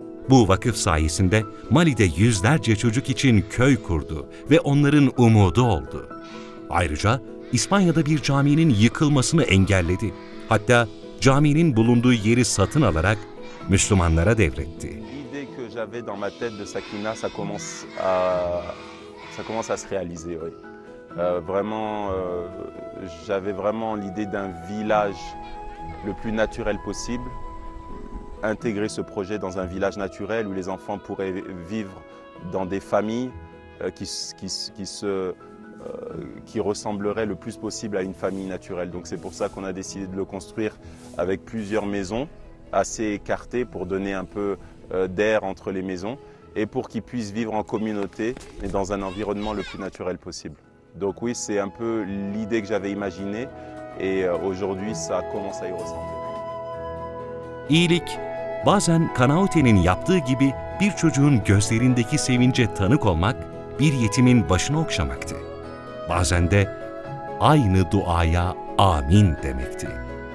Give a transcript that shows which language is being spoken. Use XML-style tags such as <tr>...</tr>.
<tr>Bu vakıf sayesinde Mali'de yüzlerce çocuk için köy kurdu ve onların umudu oldu. Ayrıca İspanya'da bir caminin yıkılmasını engelledi. Hatta caminin bulunduğu yeri satın alarak Müslümanlara devretti.</tr> <fr>L'idée que j'avais dans ma tête de Sakina, ça commence à se réaliser. Oui. Vraiment, j'avais vraiment l'idée d'un village le plus naturel possible. Intégrer ce projet dans un village naturel où les enfants pourraient vivre dans des familles qui ressembleraient le plus possible à une famille naturelle. Donc c'est pour ça qu'on a décidé de le construire avec plusieurs maisons assez écartées pour donner un peu d'air entre les maisons et pour qu'ils puissent vivre en communauté et dans un environnement le plus naturel possible. Donc oui, c'est un peu l'idée que j'avais imaginée et aujourd'hui ça commence à y ressembler.</fr> <tr>İyilik, bazen Kanaute'nin yaptığı gibi bir çocuğun gözlerindeki sevince tanık olmak, bir yetimin başını okşamaktı. Bazen de aynı duaya amin demekti.</tr>